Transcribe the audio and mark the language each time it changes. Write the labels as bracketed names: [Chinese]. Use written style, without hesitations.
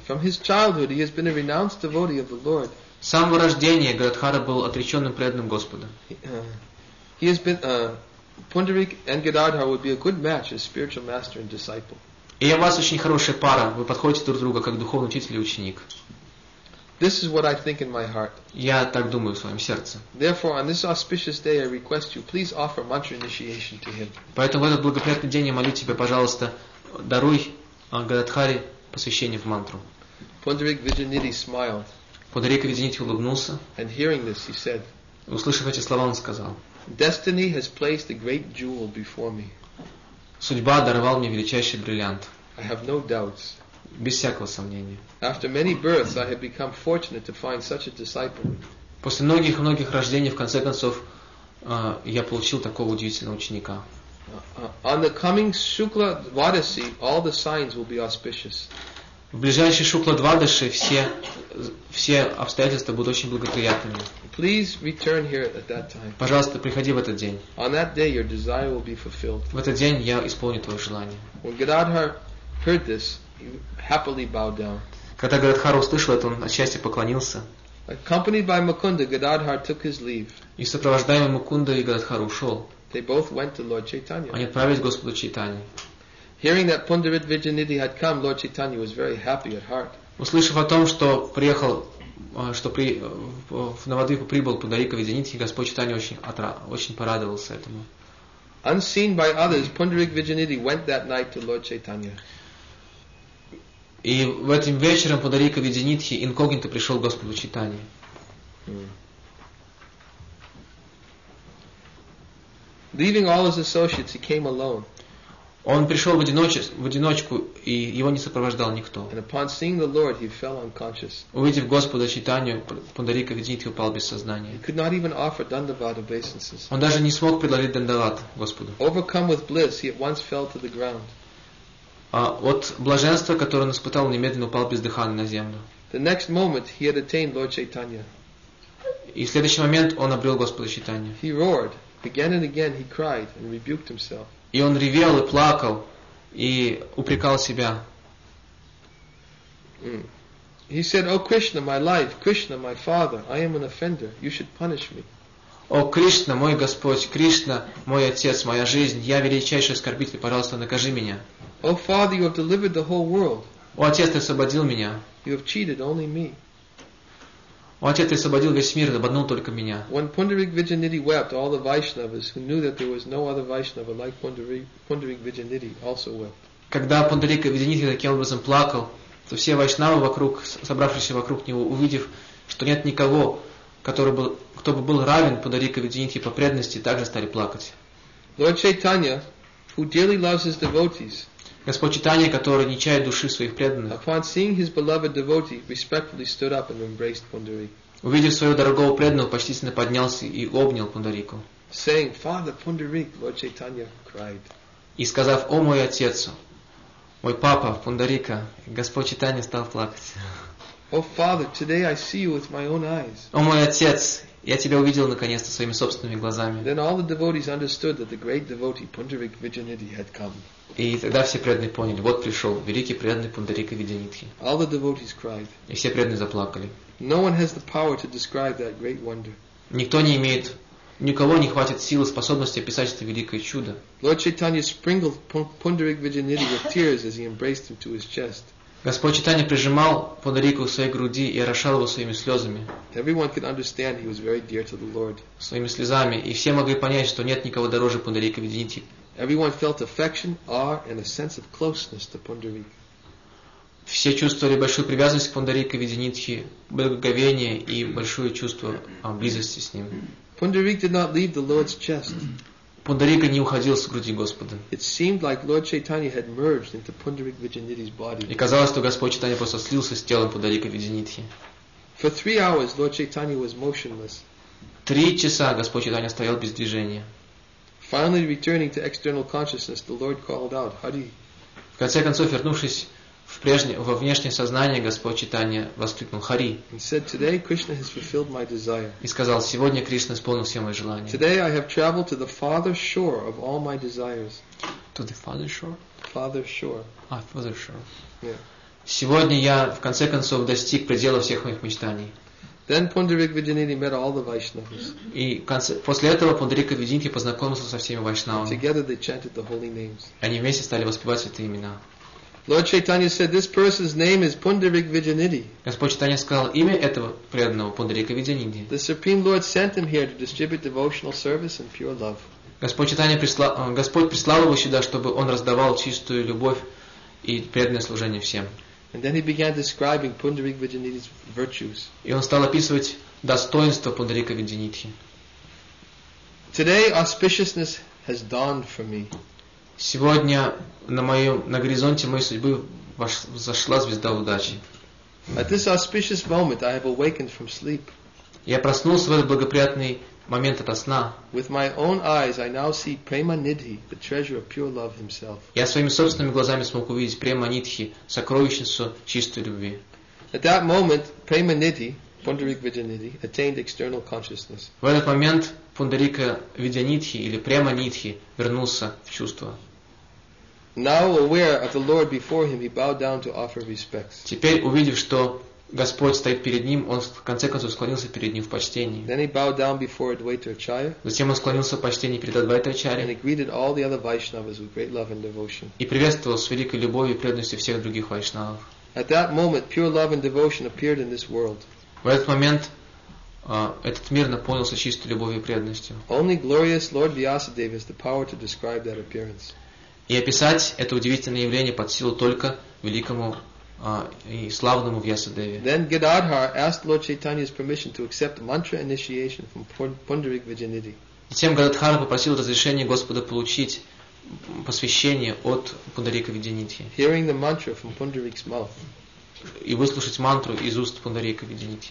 [English] From his childhood, he has been a renounced devotee of the Lord. [Russian] С самого рождения Гададхара был отреченным преданным Господа. [English] He has been Pundarik and Gadadhar would be a good match as spiritual master and disciple. [Russian] И у вас очень хорошая пара. Вы подходите друг другу как духовный учитель и ученик. [English] This is what I think in my heart. [Russian] Я так думаю в своем сердце. [English] Therefore, on this auspicious day, I request you, please offer mantra initiation to him. [Russian] Поэтому в этот благоприятный день я молю тебя, пожалуйста, даруй Гададхаре посвящение в мантру. [English] Pundarik Viddhi smiled. [Russian] Пундарика Виджинидхи улыбнулся. [English] And hearing this, he said. [Russian] Услышав эти слова, он сказал. [English] Destiny has placed a great jewel before me. [Russian] Судьба даровала мне величайший бриллиант. [English] I have no doubts. [Russian] Без всякого сомнения. [English] After many births, I have become fortunate to find such a disciple. [Russian] После многих-многих рождений, в конце концов, я получил такого удивительного ученика. [English] On the coming Shukla Dvadasi, all the signs will be auspicious. [Russian] В ближайшей Шукла Двадаши все обстоятельства будут очень благоприятными. [English] Please return here at that time. [Russian] Пожалуйста, приходи в этот день. [English] On that day your desire will be fulfilled. [Russian] В этот день я исполню твое желание. [English] When Gadadhar heard this, he happily bowed down. [Russian] Когда Гададхара услышал это, он отчасти поклонился. [English] Accompanied by Mukunda, Gadadhar took his leave. [Russian] И сопровождаемый Мукундой Гададхара ушел. [English] They both went to Lord Chaitanya. [Russian] Они отправились к Господу Чайтанье. [English] Hearing that Pundarit Vijayanidhi had come, Lord Chaitanya was very happy at heart. [Russian] Услышав о том, что приехал, что при в Навадвипу прибыл Пундарика Виджанидхи, Господь Чайтанья очень порадовался этому. [English] Unseen by others, Pundarit Vijayanidhi went that night to Lord Chaitanya. [Russian] И в этим вечером Пундарика Виджанидхи инкогнито пришел к Господу Чайтанье. [English] Leaving all his associates, he came alone. [Russian] Он пришел в одиночку, и его не сопровождал никто. [English] And upon seeing the Lord, he fell unconscious. [Russian] Увидев Господа Чайтанью, Пундарика Виджанидхи упал без сознания. [English] He could not even offer Dandavat obeisances. [Russian] Он даже не смог предложить Дандават Господу. [English] Overcome with bliss, he at once fell to the ground. [Russian] От блаженства, которое он испытал, немедленно упал бездыханный на землю. [English] The next moment, he had attained Lord Chaitanya. [Russian] И в следующий момент он обрел Господа Чайтанью. [English] He roared. Again and again, he cried and rebuked himself. [Russian] И он ревел и плакал и упрекал себя. [English] He said, "O Krishna, my life, Krishna, my father, I am an offender. You should punish me." [Russian] О Кришна, мой Господь, Кришна, мой отец, моя жизнь, я величайший оскорбитель, пожалуйста, накажи меня. [English] O Father, you have delivered the whole world. [Russian] О отец, ты освободил меня. [English] You have cheated only me. [Russian] О отец, ты освободил весь мир, обманул только меня. [English] When Pundarik Vijayanidhi wept, all the Vaishnavas who knew that there was no other Vaishnava like Pundarik Vijayanidhi also wept. [Russian] Когда Пундарик Виджанидхи таким образом плакал, то все вайшнавы вокруг, собравшиеся вокруг него, увидев, что нет никого, кто бы был равен Пундарику Виджанидхи по преданности, также стали плакать. [English] Lord Chaitanya, who dearly loves his devotees. [Russian] Господь Чайтанья, который не чает души своих преданных. [English] Upon seeing his beloved devotee, respectfully stood up and embraced Pundarik. [Russian] Увидев своего дорогого преданного, почтительно поднялся и обнял Пундарику. [English] Saying, "Father Pundarik," Lord Chaitanya cried. [Russian] И сказав: "О мой отец, мой папа Пундарика," Господь Чайтанья стал плакать. [English] "O Father, today I see you with my own eyes." [Russian] О мой отец, я тебя увидел наконец-то своими собственными глазами. [English] Then all the devotees understood that the great devotee Pundarik Vijayanidhi had come. [Russian] И тогда все преданные поняли, вот пришел великий преданный Пундарика Виджанидхи. [English] All the devotees cried. [Russian] И все преданные заплакали. [English] No one has the power to describe that great wonder. [Russian] Никто не имеет, ни у кого не хватит сил и способности описать это великое чудо. [English] Lord Chaitanya sprinkled Pundarik Vijayanidhi with tears as he embraced him to his chest. [Russian] Господь Чайтанья прижимал Пундарику к своей груди и орошал его своими слезами. [English] Everyone could understand he was very dear to the Lord. [Russian] Своими слезами, и все могли понять, что нет никого дороже Пундарика Виджанидхи. [English] Everyone felt affection, awe, and a sense of closeness to Pundarik. [Russian] Все чувствовали большую привязанность к Пундарику Виджанидхи, благоговение и большое чувство близости с ним. [English] Pundarik did not leave the Lord's chest. [Russian] Пундарика не уходил с груди Господа. [English] It seemed like Lord Chaitanya had merged into Pundarik Vijayanidhi's body. [Russian] И казалось, что Господь Чайтанья просто слился с телом Пундарика Виджанидхи. [English] For 3 hours, Lord Chaitanya was motionless. [Russian] 3 часа Господь Чайтанья стоял без движения. [English] Finally returning to external consciousness, the Lord called out, "Hari." [Russian] В конце концов, вернувшись во внешнее сознание, Господь Чайтанья воскликнул: "Хари." [English] He said, "Today Krishna has fulfilled my desire." [Russian] И сказал: "Сегодня Кришна исполнил все мои желания." [English] "Today I have traveled to the farther shore of all my desires." To the farther shore? Farther shore. Farther shore. Yeah. [Russian] Сегодня я в конце концов достиг предела всех моих мечтаний. [English] Then Pundarik Vijayanidhi met all the Vaishnavas. [Russian] И после этого Пундарика Виджанидхи познакомился со всеми вайшнавами. [English] Together they chanted the holy names. [Russian] Они вместе стали воспевать святые имена. [English] Lord Chaitanya said, "This person's name is Pundarik Vijayanidhi." [Russian] Господь Чайтанья сказал имя этого преданного Пундарика Виджанидхи. [English] The Supreme Lord sent him here to distribute devotional service and pure love. [Russian] Господь прислал его сюда, чтобы он раздавал чистую любовь и преданное служение всем. [English] And then he began describing Pundarik Vijayanidhi's virtues. [Russian] И он стал описывать достоинства Пундарика Виджанидхи. [English] Today auspiciousness has dawned for me. [Russian] Сегодня на горизонте моей судьбы взошла звезда удачи. [English] At this auspicious moment, I have awakened from sleep. [Russian] Я проснулся в этот благоприятный момент ото сна. [English] With my own eyes, I now see Prema Nidhi, the treasure of pure love himself. [Russian] Я своими собственными глазами смог увидеть Prema Nidhi, сокровищницу чистой любви. [English] At that moment, Prema Nidhi, Pundarika Vidyanidhi, attained external consciousness. [Russian] В этот момент Пундарика Видянидхи или Prema Nidhi вернулся в чувство. [English] Now aware of the Lord before him, he bowed down to offer respects. [Russian] Теперь увидев, что Господь стоит перед ним, он в конце концов склонился перед ним в почтении. [English] Then he bowed down before Advaita Acharya. [Russian] Затем он склонился в почтении перед Адвайта Ачарьей. [English] And he greeted all the other Vaishnavas with great love and devotion. [Russian] И приветствовал с великой любовью и преданностью всех других вайшнавов. [English] At that moment, pure love and devotion appeared in this world. [Russian] В этот момент этот мир наполнился чистой любовью и преданностью. [English] Only glorious Lord Vyasadeva has the power to describe that appearance. [Russian] И описать это удивительное явление под силу только великому и славному Вьясадеве. [English] Then Gadadhar asked Lord Chaitanya's permission to accept mantra initiation from Pundarik Vidyanidhi. [Russian] Затем Гададхара попросил разрешения Господа получить посвящение от Пундарика Видянидхи. [English] Hearing the mantra from Pundarik's mouth. [Russian] И выслушать мантру из уст Пундарика Видянидхи.